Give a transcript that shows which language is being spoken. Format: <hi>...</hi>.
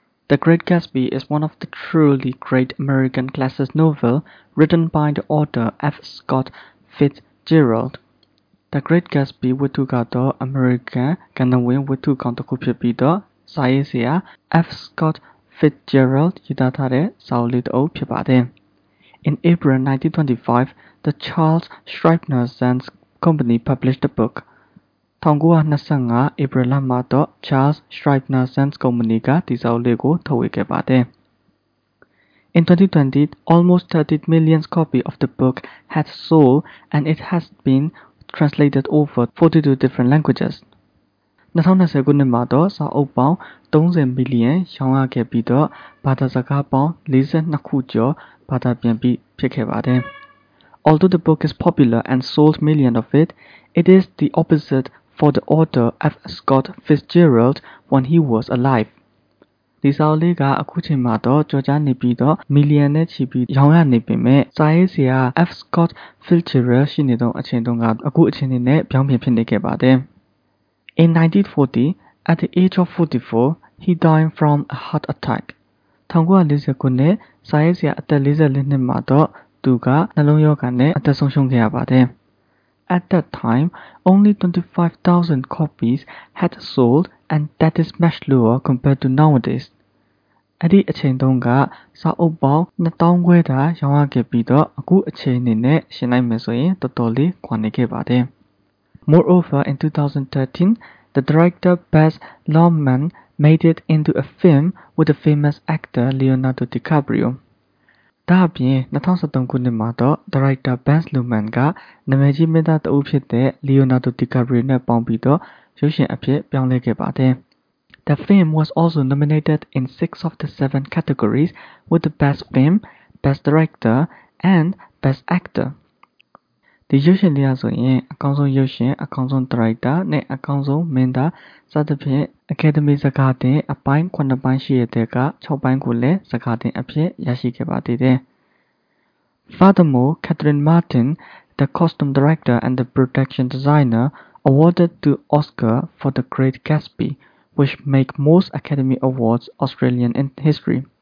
<en>The Great Gatsby is one of the truly great American classic novels written by the author F. Scott Fitzgerald.</en> <my>The Great Gatsby ဝတ္ထုကတော့ American ကဏ္ဍဝင်ဝတ္ထုကောင်တစ်ခုဖြစ်ပြီးတော့စာရေးဆရာ F. Scott Fitzgerald ရေးသားထားတဲ့စာအုပ်လေးတစ်အုပ်ဖြစ်ပါတယ်.</my> <en>In April 1925, the Charles Scribner Sons Company published the book.</en> <my>1925 April မှာတော့ Charles Scribner Sons Company ကဒီစာအုပ်လေးကိုထုတ်ဝေခဲ့ပါတယ်.</my> <en>In 2020, almost 30 million copies of the book had sold and it has been translated over 42 different languages.</en> <my>2020ခုနှစ်မှာတော့စာအုပ်ပေါင်း30 million ရောင်းရခဲ့ပြီးတော့ဘာသာစကားပေါင်း42ခုကျော်ဘာသာပြန်ပြီးဖြစ်ခဲ့ပါတယ်.</my> <en>Although the book is popular and sold millions of it, it is the opposite for the author F. Scott Fitzgerald when he was alive.</en> <my>ဒီစာအုပ်လေးကအခုချိန်မှာတော့ကျော်ကြားနေပြီးတော့မီလီယံနဲ့ချီပြီးရောင်းရနေပေမဲ့စာရေးဆရာ F. Scott Fitzgerald ရှိနေတဲ့အချိန်တုန်းကအခုအချိန်နဲ့ပြောင်းပြင်ဖြစ်နေခဲ့ပါတယ်.</my> <en>In 1940, at the age of 44, he died from a heart attack.</en> <my>1940ခုနှစ်စာရေးဆရာအသက်44နှစ်မှာတော့သူကနှလုံးရောဂါနဲ့အသက်ဆုံးရှုံးခဲ့ရပါတယ်.</my> <en>At that time, only 25,000 copies had sold and that is much lower compared to nowadays.</en> <my>အဲ့ဒီအချိန်တုန်းကစာအုပ်ပေါင်း 2,000 ခွဲသာရောင်းရခဲ့ပြီးတော့အခုအချိန်အနေနဲ့ရှင်းနိုင်မယ်ဆိုရင်တော်တော်လေးခွာနေခဲ့ပါတယ်.</my> <en>Moreover, in 2013, the director Baz Luhrmann made it into a film with the famous actor Leonardo DiCaprio.</en> <my>ဒါပြင်2013ခုနှစ်မှာတော့ director Baz Luhrmann ကနာမည်ကြီးမင်းသားတဦးဖြစ်တဲ့ Leonardo DiCaprio နဲ့ပေါင်းပြီးတော့ရုပ်ရှင်အဖြစ်ပြောင်းလဲခဲ့ပါတယ်.</my> <en>The film was also nominated in 6 of the 7 categories with the best film, best director and best actor.</en> <my>ဒီရုပ်ရှင်တွေအားဆိုရင်အကောင်းဆုံးရုပ်ရှင်အကောင်းဆုံး director နဲ့အကောင်းဆုံးမင်းသားစသဖြင့် Academy စကားတင်အပိုင်း9ပိုင်းရှိရတဲ့က6ပိုင်းကိုလည်းစကားတင်အဖြစ်ရရှိခဲ့ပါသေးတယ်.</my> <en>Furthermore, Catherine Martin, the costume director and the production designer, awarded to Oscar for The Great Gatsby, which make most Academy Awards Australian in history.</en>